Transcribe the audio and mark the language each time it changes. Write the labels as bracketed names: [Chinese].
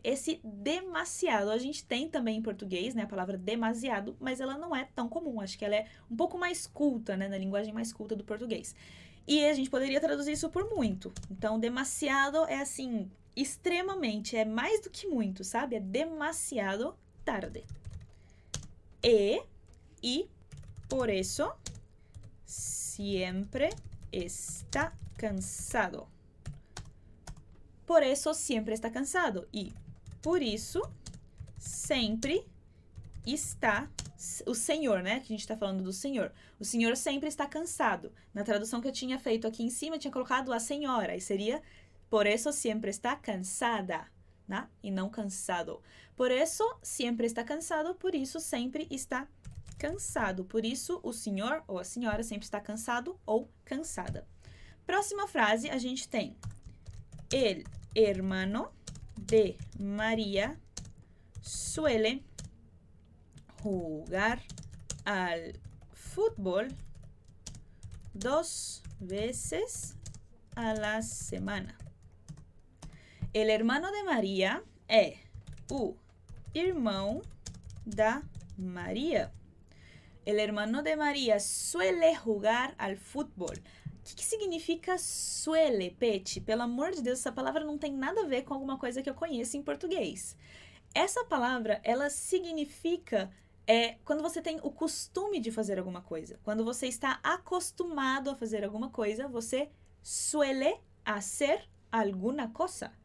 [Portuguese] Esse demasiado a gente tem também em português, né? A palavra demasiado, mas ela não é tão comum. Acho que ela é um pouco mais culta, né? Na linguagem mais culta do português. E a gente poderia traduzir isso por muito. Então, demasiado é assim, extremamente, é mais do que muito, sabe? É demasiado tarde. [Spanish] E por eso siempre está cansado. Por eso siempre está cansado. [Portuguese] E por isso sempre está o Senhor, né? Que a gente está falando do Senhor. O Senhor sempre está cansado. Na tradução que eu tinha feito aqui em cima, eu tinha colocado a senhora, e seria por isso sempre está cansada, né? E não cansado. Por isso sempre está cansado, por isso sempre está cansado. Por isso o senhor ou a senhora sempre está cansado ou cansada. Próxima frase a gente tem: [Spanish] El hermano de Maria suele jugar al fútbol dos veces a la semana. El hermano de María [Portuguese] é o irmão da Maria. [Spanish] El hermano de María suele jugar al fútbol. [Portuguese] Que significa suele, Pete? Pelo amor de Deus, essa palavra não tem nada a ver com alguma coisa que eu conheço em português. Essa palavra, ela significa quando você tem o costume de fazer alguma coisa. Quando você está acostumado a fazer alguma coisa, você [Spanish] suele hacer alguna cosa.